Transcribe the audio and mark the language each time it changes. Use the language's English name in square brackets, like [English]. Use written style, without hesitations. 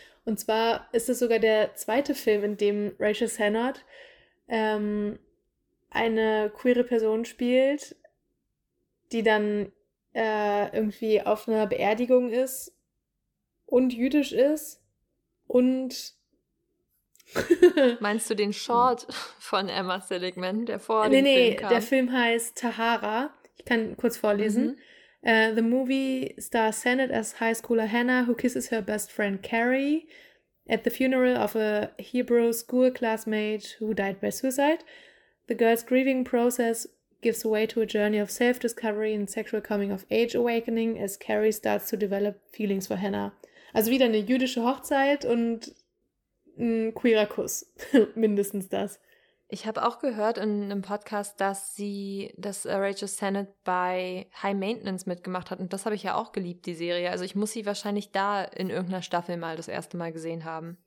[German] Und zwar ist es sogar der zweite Film, in dem Rachel Sennott eine queere Person spielt, die dann irgendwie auf einer Beerdigung ist und jüdisch ist und... Meinst du den Short von Emma Seligman, der vor dem Film kam? Der Film heißt Tahara. Ich kann kurz vorlesen. [English] The movie stars Sennett as high schooler Hannah, who kisses her best friend Carrie at the funeral of a Hebrew school classmate who died by suicide. The girl's grieving process gives way to a journey of self-discovery and sexual coming-of-age awakening as Carrie starts to develop feelings for Hannah. [German] Also wieder eine jüdische Hochzeit und ein queerer Kuss, mindestens das. Ich habe auch gehört in einem Podcast, dass Rachel Sennett bei High Maintenance mitgemacht hat. Und das habe ich ja auch geliebt, die Serie. Also ich muss sie wahrscheinlich da in irgendeiner Staffel mal das erste Mal gesehen haben.